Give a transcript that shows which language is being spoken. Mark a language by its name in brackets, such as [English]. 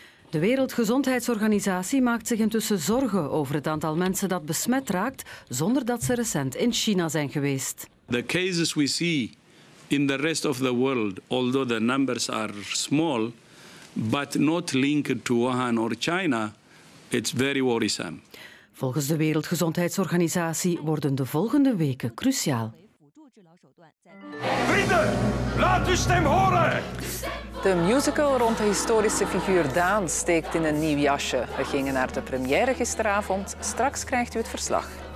[Dutch] De Wereldgezondheidsorganisatie maakt zich intussen zorgen over het aantal mensen dat besmet raakt zonder dat ze recent in China zijn geweest. [English] The cases we see in the rest of the world, although the numbers are small, but not linked to Wuhan or China, it's very worrisome. [Dutch] Volgens de Wereldgezondheidsorganisatie worden de volgende weken cruciaal. Vrienden, laat uw stem horen! De musical rond de historische figuur Daan steekt in een nieuw jasje. We gingen naar de première gisteravond. Straks krijgt u het verslag.